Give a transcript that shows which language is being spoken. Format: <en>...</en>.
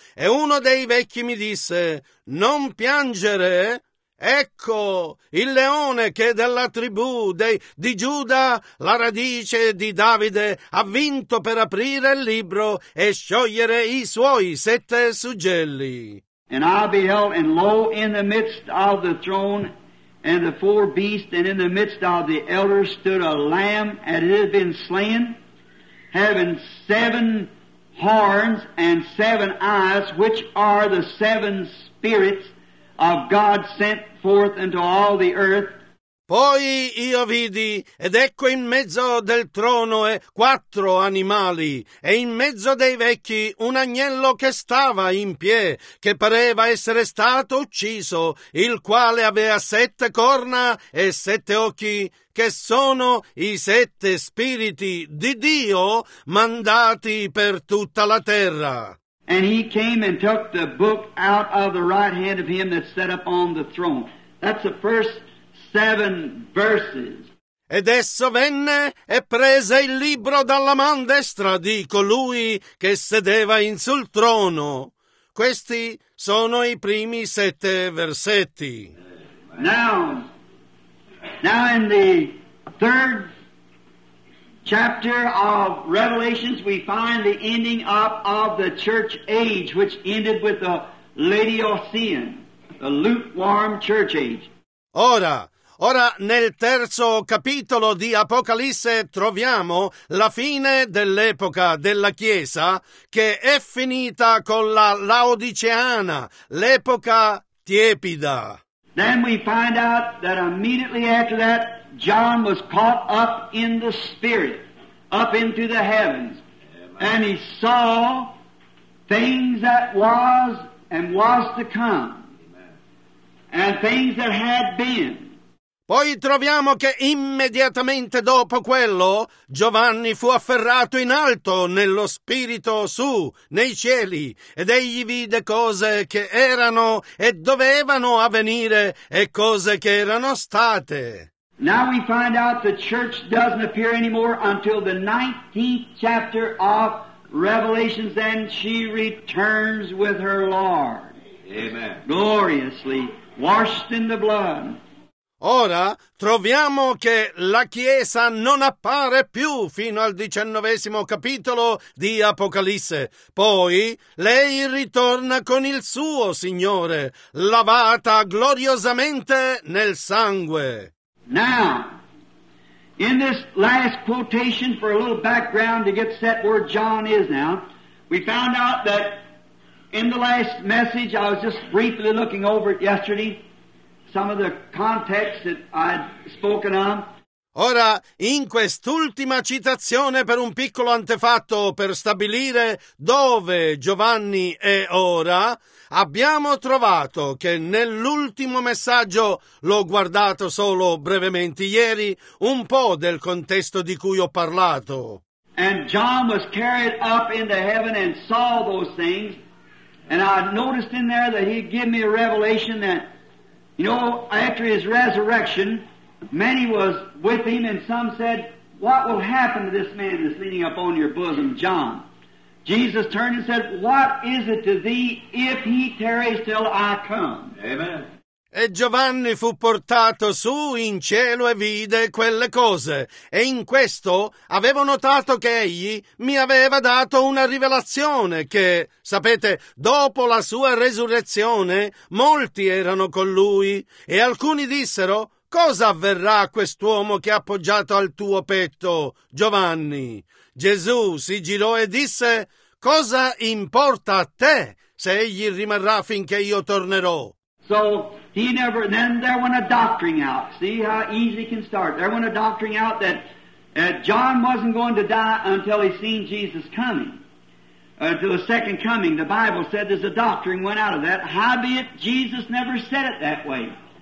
<it>E uno dei vecchi mi disse, "Non piangere. Ecco, il leone che della tribù di Giuda, la radice di Davide, ha vinto per aprire il libro e sciogliere i suoi sette suggelli."</it> <en>And I beheld, and lo, in the midst of the throne and the four beasts, and in the midst of the elders stood a lamb, and it had been slain, having seven horns and seven eyes, which are the seven spirits of God sent forth into all the earth.</en> <it>Poi io vidi, ed ecco in mezzo del trono quattro animali, e in mezzo dei vecchi un agnello che stava in pie, che pareva essere stato ucciso, il quale aveva sette corna e sette occhi, che sono i sette spiriti di Dio mandati per tutta la terra.</it> <en>And he came and took the book out of the right hand of him that sat upon the throne. That's the first seven verses.</en> <it>Ed esso venne e prese il libro dalla man destra di colui che sedeva in sul trono. Questi sono i primi sette versetti.</it> <en>Now in the third chapter of Revelations, we find the ending up of the church age, which ended with the Laodicea, the lukewarm church age.</en> <it>Ora, nel terzo capitolo di Apocalisse troviamo la fine dell'epoca della Chiesa, che è finita con la Laodiceana, l'epoca tiepida.</it> <en>Then we find out that immediately after that, John was caught up in the Spirit, up into the heavens. Amen. And he saw things that was and was to come. Amen. And things that had been.</en> <it>Poi troviamo che immediatamente dopo quello, Giovanni fu afferrato in alto nello spirito su, nei cieli, ed egli vide cose che erano e dovevano avvenire e cose che erano state.</it> <en>Now we find out the church doesn't appear anymore until the 19th chapter of Revelation, then she returns with her Lord. Amen. Gloriously washed in the blood.</en> <it>Ora troviamo che la Chiesa non appare più fino al 19° capitolo di Apocalisse. Poi lei ritorna con il suo Signore, lavata gloriosamente nel sangue.</it> <en>Now, in this last quotation, for a little background to get set where John is now, we found out that in the last message, I was just briefly looking over it yesterday, some of the context that I'd spoken on.</en> <it>Ora, in quest'ultima citazione per un piccolo antefatto per stabilire dove Giovanni è ora, abbiamo trovato che nell'ultimo messaggio, l'ho guardato solo brevemente ieri, un po' del contesto di cui ho parlato.</it> <en>And John was carried up into heaven and saw those things, and I noticed in there that he'd give me a revelation that, you know, after his resurrection, many was with him, and some said, what will happen to this man that's leaning up on your bosom, John? Jesus turned and said, what is it to thee if he tarries till I come? Amen.</en> <it>E Giovanni fu portato su in cielo e vide quelle cose, e in questo avevo notato che egli mi aveva dato una rivelazione che, sapete, dopo la sua resurrezione, molti erano con lui, e alcuni dissero, cosa avverrà a quest'uomo che ha appoggiato al tuo petto, Giovanni? Gesù si girò e disse, cosa importa a te se egli rimarrà finché io tornerò?</it> <en>So he never, then there went a doctrine out. See how easy it can start. There went a doctrine out that John wasn't going to die until he seen Jesus coming, until the second coming. The Bible said there's a doctrine went out of that. Howbeit, Jesus never said it that way.</en>